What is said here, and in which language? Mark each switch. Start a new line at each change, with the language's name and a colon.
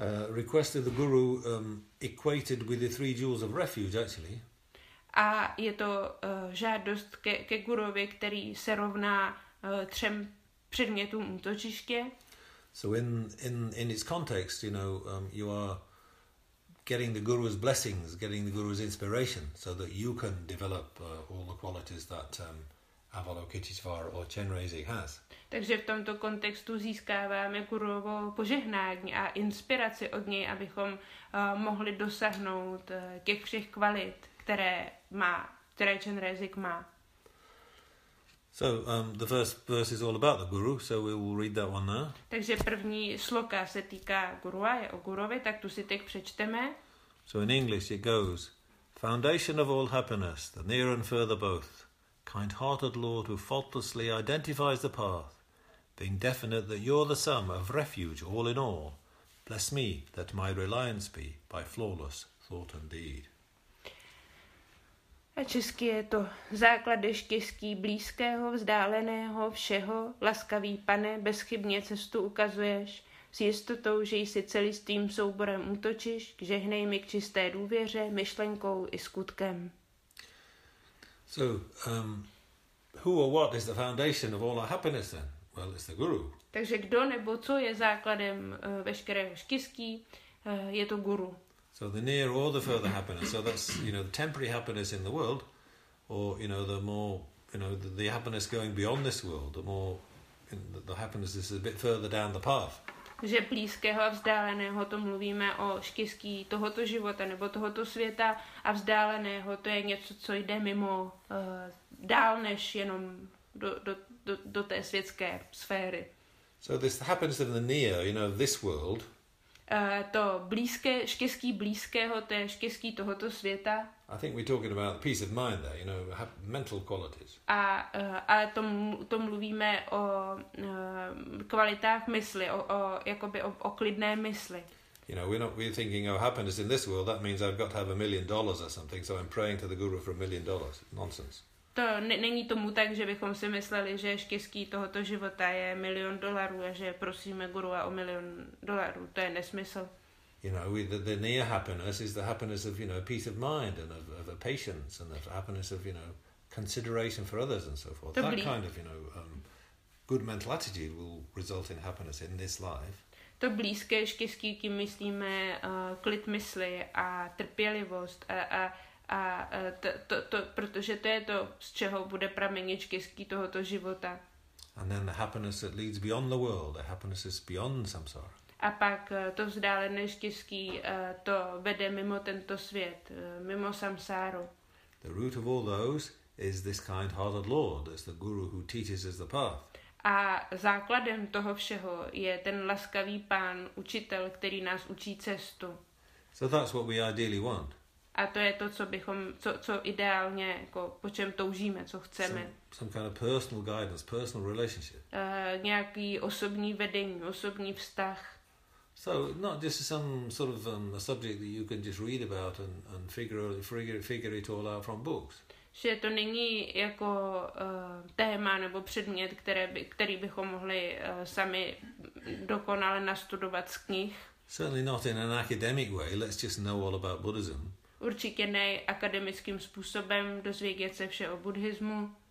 English: Request of the guru equated with the three jewels of refuge actually.
Czech: A je to žádost ke guruovi, který se rovná třem předmětům útočiště.
English: So in its context, you know, you are getting the guru's blessings, getting the guru's inspiration, so that you can develop all the qualities that Avalokiteshvara or Chenrezig has.
Czech: Takže v tomto kontextu získáváme guruovo požehnání a inspiraci od něj, abychom mohli dosáhnout těch všech kvalit, které Chenrezig má.
English: So the first verse is all about the guru, so we will read that one now.
Czech: Takže první sloka se týká gurua, je o guruvi, tak tu si teď přečteme.
English: So in English it goes, foundation of all happiness, the near and further both, kind-hearted Lord who faultlessly identifies the path, being definite that you're the sum of refuge all in all, bless me that my reliance be by flawless thought and deed.
Czech: A česky je to základ štěstí blízkého, vzdáleného, všeho, laskavý pane, bezchybně cestu ukazuješ, s jistotou, že jsi celistvým souborem útočíš, žehnej mi k čisté důvěře, myšlenkou i skutkem.
English: So, who or what is the foundation of all our happiness then? Well, it's the guru.
Czech: Takže kdo nebo co je základem veškerého štěstí, je to guru.
English: So the near or the further happiness, so that's, you know, the temporary happiness in the world, or, you know, the more, you know, the happiness going beyond this world, the more, you know, the happiness is a bit further down the path.
Czech: Že blízkého a vzdáleného, to mluvíme o štěstí tohoto života nebo tohoto světa, a vzdáleného, to je něco, co jde mimo, dál než jenom do té světské sféry.
English: So this happiness of the near, you know, this world.
Czech: to blízké, štěstí blízkého, to je štěstí tohoto světa.
English: I think we're talking about peace of mind there, you know, have mental qualities.
Czech: A to mluvíme o kvalitách mysli, o klidné mysli.
English: You know, we're thinking, oh, happiness in this world, that means I've got to have $1 million or something, so I'm praying to the guru for $1 million. Nonsense.
Czech: To není tomu tak, že bychom si mysleli, že štěstí tohoto života je $1 million a že prosíme gurua o $1 million. To je nesmysl.
English: You know, the near happiness is the happiness of, you know, peace of mind and of patience and the happiness of, you know, consideration for others and so forth. That kind of, you know, good mental attitude will result in happiness in this life.
Czech: To blízké štěstí, kým myslíme klid mysli a trpělivost a to, protože to je to, z čeho bude pramenit štěstí tohoto života.
English: And then the happiness that leads beyond the world, the happiness is beyond samsara.
Czech: A pak to vzdálené štěstí to vede mimo tento svět, mimo samsáru.
English: The root of all those is this kind-hearted Lord, as the guru who teaches us the path.
Czech: A základem toho všeho je ten laskavý pán, učitel, který nás učí cestu.
English: So that's what we ideally want.
Czech: A to je to, co bychom, co ideálně, jako, po čem toužíme, co chceme.
English: Some kind of personal guidance, personal relationship.
Czech: Nějaký osobní vedení, osobní vztah.
English: So not just some sort of a subject that you can just read about and figure it all out from books.
Czech: Že to není jako téma nebo předmět, který bychom mohli sami dokonale nastudovat z knih.
English: Certainly not in an academic way. Let's just know all about Buddhism.
Czech: Určitě ne akademickým způsobem dozvědět se vše o buddhismu.